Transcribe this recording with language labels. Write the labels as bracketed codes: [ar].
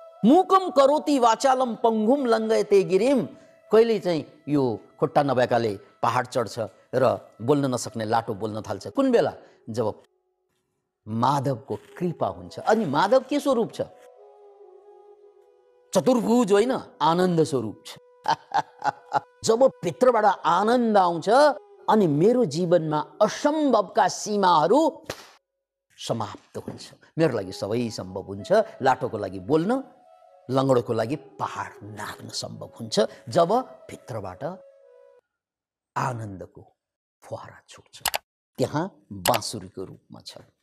[sa] मुकम करोति वाचालम पङ्घुम लङ्घयते गिरिम, [ne] कहिले चाहिँ यो खुट्टा नभएकाले पहाड चढ्छ र बोल्न नसक्ने लाटो बोल्न थाल्छ, कुन बेला, जब माधवको कृपा हुन्छ। अनि माधव के स्वरूप छ? चतुर्भुज होइन, आनन्द स्वरूप छ। जब भित्रबाट आनन्द आउँछ अनि मेरो जीवनमा असम्भवका सीमाहरू समाप्त हुन्छ, मेरो लागि सबै सम्भव हुन्छ, लाटोको लागि बोल्न, लङ्गडोको लागि पहाड नाग्न सम्भव हुन्छ, जब भित्रबाट आनन्दको फुहारा छुट्छ, त्यहाँ बाँसुरीको रूपमा छ।